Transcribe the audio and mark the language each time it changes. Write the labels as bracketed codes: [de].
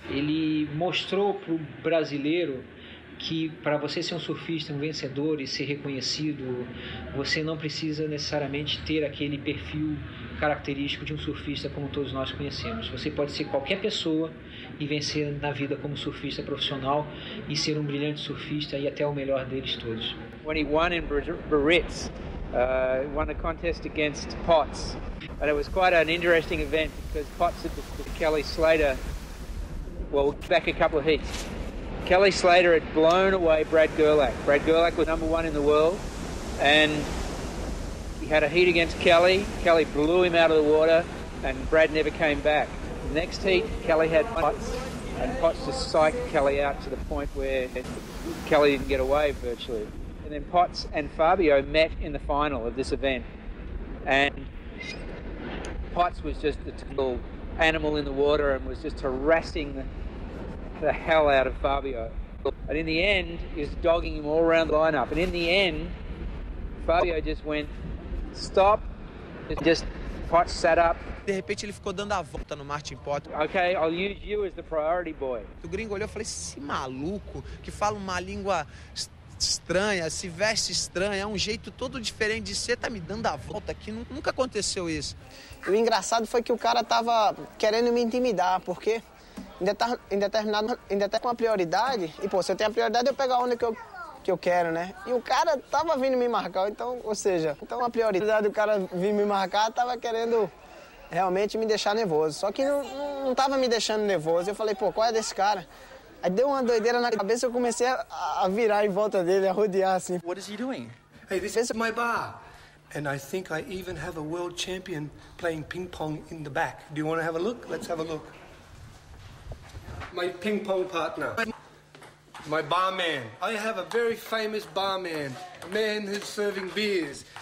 [pt] Ele mostrou pro brasileiro que para você ser um surfista, um vencedor e ser reconhecido, você não precisa necessariamente ter aquele perfil característico de um surfista como todos nós conhecemos. Você pode ser qualquer pessoa e vencer na vida como surfista profissional e ser um brilhante surfista e até o melhor deles todos. [en] When he won in Biarritz, won a contest against Potts, and it was quite an interesting event because Potts had beaten Kelly Slater, well, back a couple of heats. Kelly Slater had blown away Brad Gerlach. Brad Gerlach was number one in the world, and he had a heat against Kelly. Kelly blew him out of the water, and Brad never came back. The next heat, Kelly had Potts, and Potts just psyched Kelly out to the point where Kelly didn't get away, virtually. And then Potts and Fabio met in the final of this event, and Potts was just the total animal in the water and was just harassing the hell out of Fabio. And in the end, he was dogging him all around the lineup. And in the end, Fabio just went, stop. And just Potts sat up. [pt] De repente, ele ficou dando a volta no Martin Pot. [en] Okay, I'll use you as the priority boy. [pt] O gringo olhou e falou, esse maluco que fala uma língua estranha, se veste estranha, é um jeito todo diferente de ser, tá me dando a volta aqui. Nunca aconteceu isso. O engraçado foi que o cara tava querendo me intimidar, porque em determinado com a prioridade, e pô, se eu tenho a prioridade, eu pego a onda que eu quero, né? E o cara tava vindo me marcar, então a prioridade do cara vir me marcar tava querendo realmente me deixar nervoso. Só que não tava me deixando nervoso. Eu falei, pô, qual é desse cara? Aí deu uma doideira na cabeça, eu comecei a virar em volta dele, a rodear assim. [en] What is he doing? Hey, this is my bar. And I think I even have a world champion playing ping pong in the back. Do you want to have a look? Let's have a look. My ping pong partner. My barman. I have a very famous barman. A man who's serving beers.